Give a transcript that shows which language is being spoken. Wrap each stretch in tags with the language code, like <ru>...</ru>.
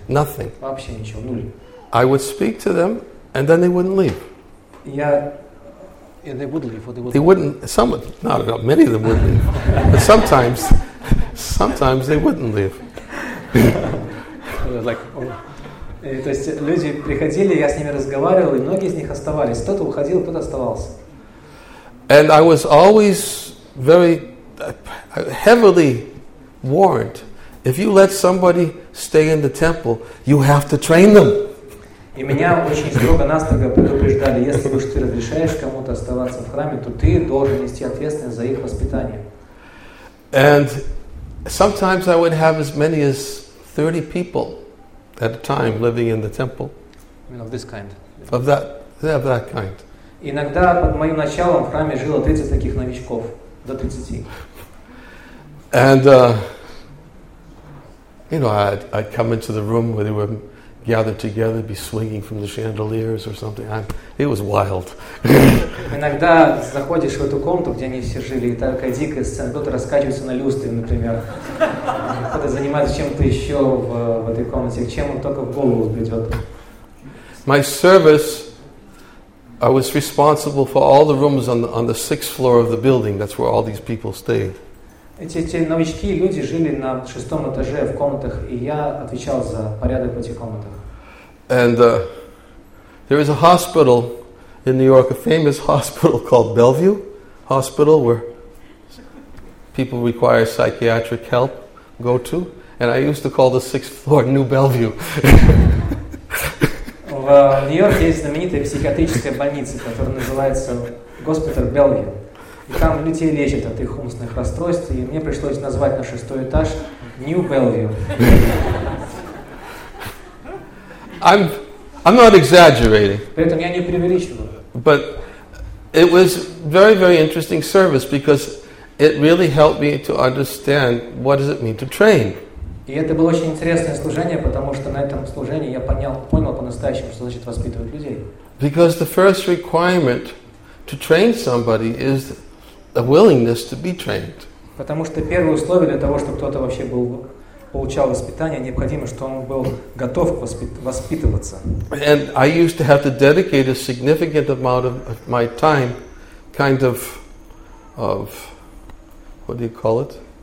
<en>Nothing.</en> <ru>Вообще ничего, нуль.</ru> <en>I would speak to them, and then they wouldn't leave. Yeah, they would leave, or they wouldn't. Not many of them would leave, but sometimes they wouldn't leave.</en> <ru>То есть люди приходили, я с ними разговаривал, и многие из них оставались. Кто-то уходил, кто-то оставался.</ru> <en>And I was always very heavily warned: if you let somebody stay in the temple, you have to train them.</en> <ru>И меня очень строго-настрого предупреждали, если уж ты разрешаешь кому-то оставаться в храме, то ты должен нести ответственность за их воспитание.</ru> <en>And sometimes I would have as many as 30 people at a time living in the temple. I mean, of this kind. Of that kind.</en> <ru>Иногда под моим началом в храме жило 30 таких новичков, до 30.</ru> <en>And, you know, I'd come into the room where they were gathered together, be swinging from the chandeliers or something. It was wild.</en> <ru>Иногда заходишь в эту комнату, где они все жили, и такая дикая сцена. Кто-то раскачивается на люстре, например. Кто-то занимается чем-то еще в этой комнате, чем он только в голову взбредет.</ru> <en>My service, I was responsible for all the rooms on the sixth floor of the building. That's where all these people stayed.</en> <ru>Эти новички, люди жили на шестом этаже в комнатах, и я отвечал за порядок в этих комнатах.</ru> <en>And there is a hospital in New York, a famous hospital called Bellevue Hospital, where people require psychiatric help go to. And I used to call the sixth floor New Bellevue.</en> <ru>В Нью-Йорке есть знаменитая психиатрическая больница, которая называется госпиталь Bellevue. И там людей лечат от их умственных расстройств, и мне пришлось назвать на шестой этаж New Bellevue.</ru> <en>I'm not exaggerating.</en> <ru>Поэтому я не преувеличиваю.</ru> <en>But it was very, very interesting service because it really helped me to understand what does it mean to train.</en> <ru>И это было очень интересное служение, потому что на этом служении я понял по-настоящему, что значит воспитывать людей.</ru> <en>Because the first requirement to train somebody is a willingness to be trained.</en> <ru>Потому что первое условие для того, чтобы кто-то вообще был получал воспитание, необходимо, чтобы он был готов воспитываться.</ru> <en>And I used to have to dedicate a significant amount of my time, kind of what do you call it?</en>